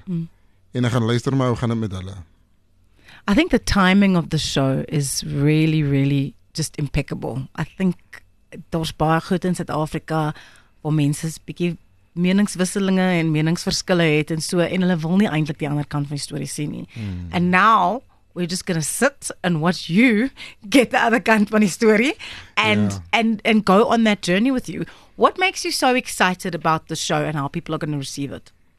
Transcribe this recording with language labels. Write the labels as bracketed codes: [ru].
[af] En dan gaan luister maar, hoe gaan het met hulle. [en] I think the timing of the show is really, really just impeccable. I think [af] daar's baie goed in Suid-Afrika waar mense 'n bietjie meningswisselinge en meningsverskille het en so, en hulle wil nie eintlik die ander kant van die storie sien nie. Mm. [en] And now we're just going to sit and watch you get the other [af] kant van die [en] story and go on that journey with you. What makes you so excited about the show and how people are going to receive it?